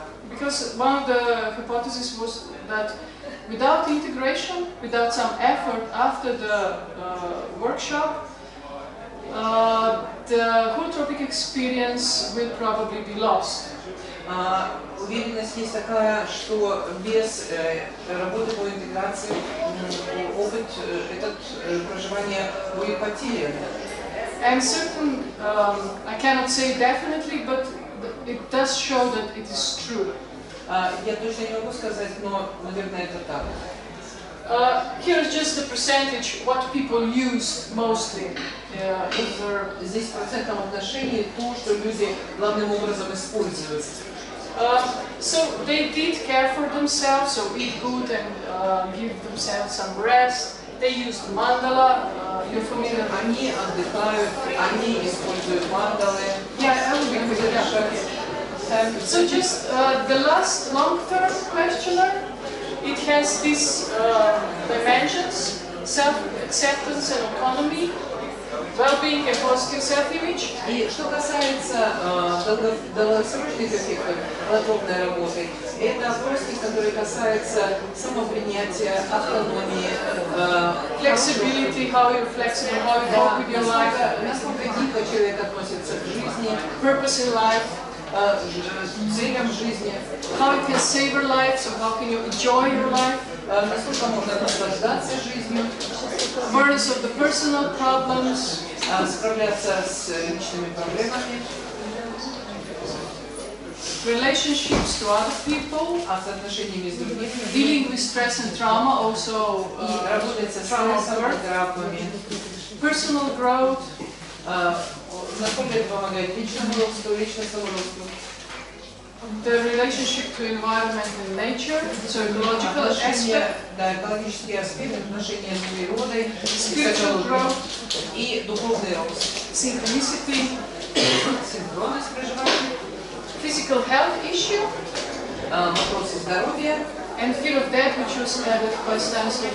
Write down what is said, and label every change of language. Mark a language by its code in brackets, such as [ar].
[en] Because one of the hypotheses was that without integration, without some effort after the workshop, the holotropic experience will probably be lost. [ru] Уверенность есть такая, что без работы по интеграции опыт этот проживание будет потерян. [en] I'm certain, I cannot say definitely, but it does show that it is true. [ru] Я точно не могу сказать, но, наверное, это так. [en] Here is just the percentage what people use mostly. [ru] Здесь процентное отношение то, что люди главным образом используют. [en] So they did care for themselves, so eat good and give themselves some rest. They used mandala. You're familiar. [ru] Они отдыхают. Они используют мандалы. [en] Yeah, I will be familiar. Yeah. So just the last long-term questionnaire. It has these dimensions: self-acceptance and autonomy. Well-being and positive self-image. [ru] И что касается долгосрочных эффектов подобной работы, это вопросы, которые касаются самопринятия, автономии, [en] flexibility, how you're flexible, how you cope with your life. [ru] Насколько гибко человек относится к жизни. [en] Purpose in life. [ru] Целям жизни. [en] How you can savor life, so how can you enjoy your life. [ru] Насколько можно наслаждаться жизнью. [en] Awareness of the personal problems. [ru] Справляться с личными проблемами. [en] Relationships to other people. [ru] А с отношениями с другими. [en] Dealing with stress and trauma also. [ru] И работать со стрессом и травмами. [en] Personal growth. [ru] Насколько это помогает личному росту, личностному росту. [en] The relationship to environment and nature, so ecological aspect. [ru] Да, экологический аспект, отношения с природой. [en] Spiritual growth. [ru] И духовный рост. [en] Synchronicity. [ru] Синхронность проживания. [en] Physical health issue. [ru] Вопросы здоровья. [en] And fear of death, which was added by Stanislav